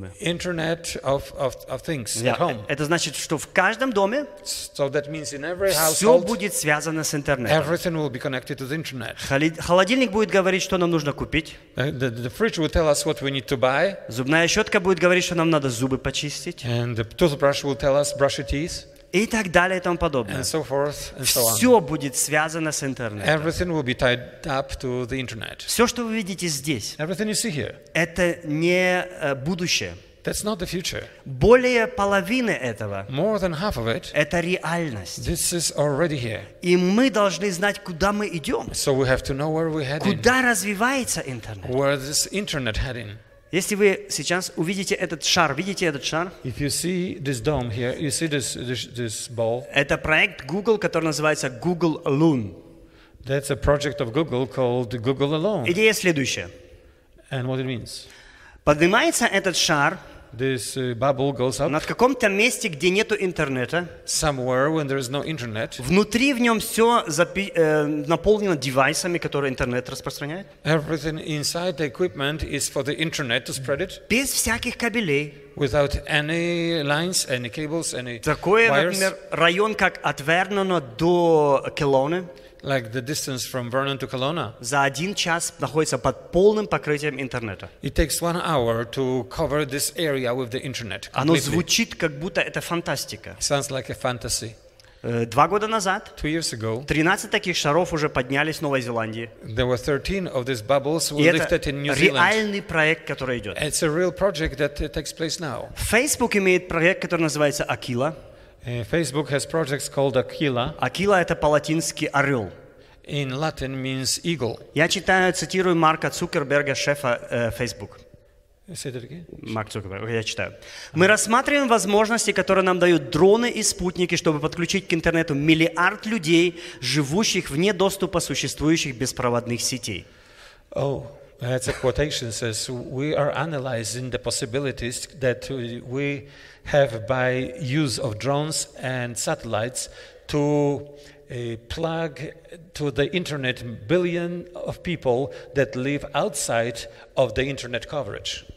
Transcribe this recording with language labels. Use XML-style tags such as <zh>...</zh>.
<en>Internet of things, yeah, at home.</en> <ru>Это значит, что в каждом доме</ru> <en>so that means in every</en> <ru>все будет связано с интернетом.</ru> <en>Everything will be connected to the internet.</en> <ru>Холодильник будет говорить, что нам нужно купить.</ru> <en>The fridge will tell us what we need to buy.</en> <ru>Зубная щетка будет говорить, что нам надо зубы почистить.</ru> <en>And the toothbrush will tell us brush your teeth.</en> <ru>И так далее и тому подобное.</ru> <en>And so forth, and so on.</en> <ru>Все будет связано с интернетом.</ru> <en>Everything will be tied up to the internet.</en> <ru>Все, что вы видите здесь,</ru> <en>everything you see here,</en> <ru>это не будущее.</ru> <en>That's not the future.</en> <ru>Более половины этого,</ru> <en>more than half of it,</en> <ru>это реальность.</ru> <en>This is already here.</en> <ru>И мы должны знать, куда мы идем.</ru> <en>So we have to know where we're heading.</en> <ru>Куда развивается интернет?</ru> <en>Where this internet heading?</en> <ru>Если вы сейчас увидите этот шар, видите этот шар?</ru> <en>If you see this dome here, you see this ball.</en> <ru>Это проект Google, который называется Google Alone.</ru> <en>That's a project of Google called Google Alone.</en> <ru>Идея следующая.</ru> <en>And what it means?</en> <ru>Поднимается этот шар.</ru> <en>This bubble goes up.</en> <ru>На каком-то месте, где нету интернета.</ru> <en>Somewhere when there is no internet.</en> <ru>Внутри в нем все наполнено девайсами, которые интернет распространяет.</ru> <en>Everything inside the equipment is for the internet to spread it.</en> <ru>Без всяких кабелей.</ru> <en>Without any lines, any cables, any wires.</en> <ru>Такой, например, район, как от Вернона до Келоны.</ru> <en>Like the distance from Vernon to Kelowna.</en> <ru>За один час находится под полным покрытием интернета.</ru> <en>It takes 1 hour to cover this area with the internet.</en> <ru>Оно звучит как будто это фантастика.</ru> <en>Sounds like a fantasy.</en> <ru>2 года назад.</ru> <en>2 years ago.</en> <ru>13 таких шаров уже поднялись в Новой Зеландии.</ru> <en>There were 13 of these bubbles were lifted in New Zealand.</en> <ru>Реальный проект, который идет.</ru> <en>It's a real project that takes place now.</en> <ru>Facebook имеет проект, который называется Aquila.</ru> <en>Facebook has projects called Aquila.</en> <ru>Aquila – это по-латински орел.</ru> <en>In Latin means eagle.</en> <ru>Я читаю, цитирую Марка Цукерберга, шефа Facebook.</ru> <en>Say that again.</en> <ru>Марк Цукерберг, я читаю. Мы рассматриваем возможности, которые нам дают дроны и спутники, чтобы подключить к интернету миллиард людей, живущих вне доступа существующих беспроводных сетей.</ru> <en>Oh. That's a quotation, says, we are analyzing the possibilities that we have by use of drones and satellites to plug to the internet billion of people that live outside of the internet coverage.</en>